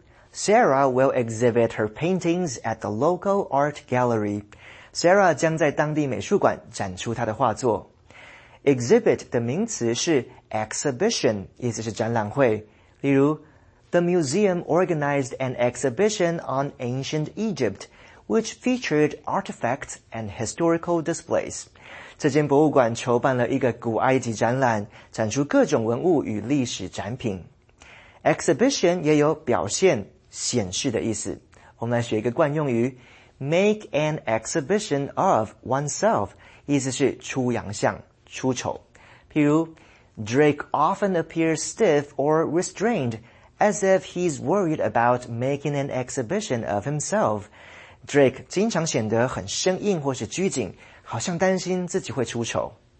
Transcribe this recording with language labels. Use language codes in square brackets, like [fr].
[en] Sarah will exhibit her paintings at the local art gallery. [zh] Sarah 将在当地美术馆展出她的画作。Exhibit 的名词是 exhibition, 意思是展览会。 [en] 例如 ,The museum organized an exhibition on ancient Egypt, which featured artifacts and historical displays. [zh] 这间博物馆筹办了一个古埃及展览，展出各种文物与历史展品。 Exhibition 也有表现、显示的意思。我们来学一个惯用语 , [en] make an exhibition of oneself, [zh] 意思是出洋相、出丑。 [en] 譬如 ,Drake often appears stiff or restrained, as if he's worried about making an exhibition of himself. [zh] Drake 经常显得很生硬或是拘谨，好像担心自己会出丑。